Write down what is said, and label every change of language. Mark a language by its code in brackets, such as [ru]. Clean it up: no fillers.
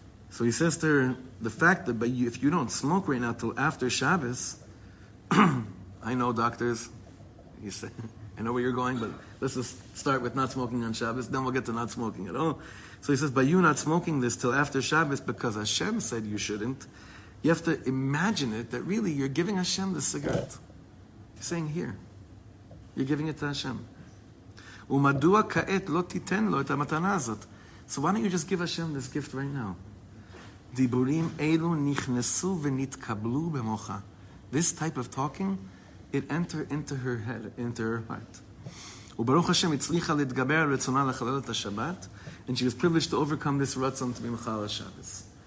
[en] So he says to her, the fact that if you don't smoke right now till after Shabbos, I know doctors, he said, I know where you're going, but let's just start with not smoking on Shabbos, then we'll get to not smoking at all. So he says, by you not smoking this till after Shabbos because Hashem said you shouldn't, you have to imagine it that really you're giving Hashem the cigarette. He's saying here, you're giving it to Hashem. [he] ומדוע כעת לא תיתן לו את המתנה הזאת? [en] So why don't you just give Hashem this gift right now? [he] דיבורים אלו נכנסו ונתקבלו במוחה. [en] This type of talking, it entered into her head, into her heart. [he] וברוך השם הצליחה להתגבר על רצונה לחלל את השבת, [en] and she was privileged to overcome this [he] רצון במחה על השבת.